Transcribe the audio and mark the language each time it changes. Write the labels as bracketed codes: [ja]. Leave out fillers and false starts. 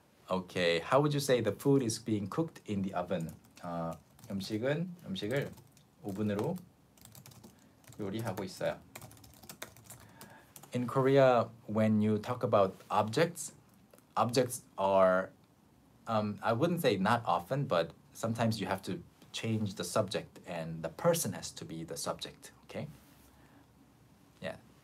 [en] Okay, how would you say the food is being cooked in the oven? [ko] 음식은 음식을 오븐으로 요리하고 있어요. [en] In Korea, when you talk about objects, objects are, I wouldn't say not often, but sometimes you have to change the subject and the person has to be the subject, okay? Yeah.